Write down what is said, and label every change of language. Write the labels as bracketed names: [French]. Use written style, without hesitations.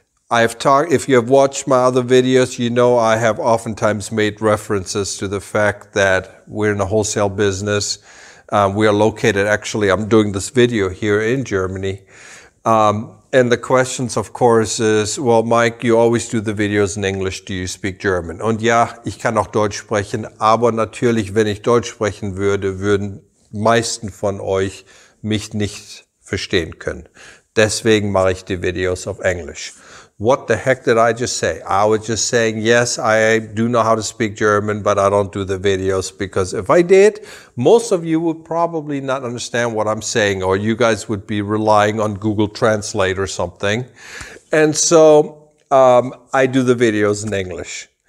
[English] I have talked, if you have watched my other videos, you know I have oftentimes made references to the fact that we're in a wholesale business. We are located, actually, I'm doing this video here in Germany. And the questions, of course, is, well, Mike, you always do the videos in English. Do you speak German? [German] Und ja, ich kann auch Deutsch sprechen. Aber natürlich, wenn ich Deutsch sprechen würde, würden meisten von euch mich nicht verstehen können. Deswegen mache ich die Videos auf Englisch. [English] What the heck did I just say? I was just saying, yes, I do know how to speak German, but I don't do the videos because if I did, most of you would probably not understand what I'm saying, or you guys would be relying on Google Translate or something. And so I do the videos in English.